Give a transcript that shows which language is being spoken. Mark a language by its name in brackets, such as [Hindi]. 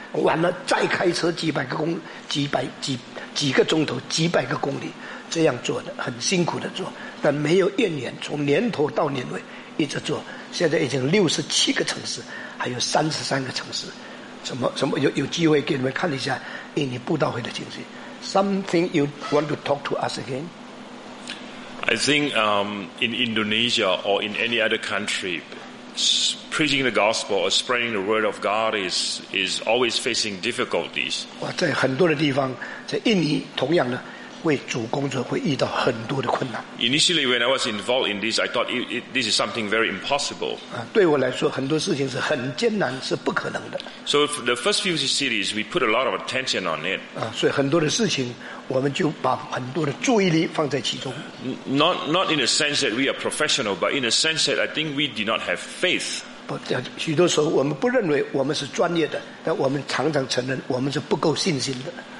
[Chinese] 完了再开车几百个公里，这样做的很辛苦的做，但没有怨言，从年头到年尾一直做。现在已经67个城市，还有33个城市。什么有机会给你们看一下印尼布道会的情形。 [English] Something you want to talk to us again? I think in Indonesia or in any other country, preaching the gospel or spreading the word of God is always facing difficulties. [Chinese] 在很多的地方，在印尼同样的，为主工作会遇到很多的困难。 [English] Initially, when I was involved in this, I thought this is something very impossible. [Chinese] 对我来说，很多事情是很艰难，是不可能的。 [English] So the first few cities, we put a lot of attention on it. [Chinese] 所以很多的事情，我们就把很多的注意力放在其中。 [English] Not in a sense that we are professional, but in a sense that I think we do not have faith. [Chinese] 许多时候我们不认为我们是专业的，但我们常常承认我们是不够信心的。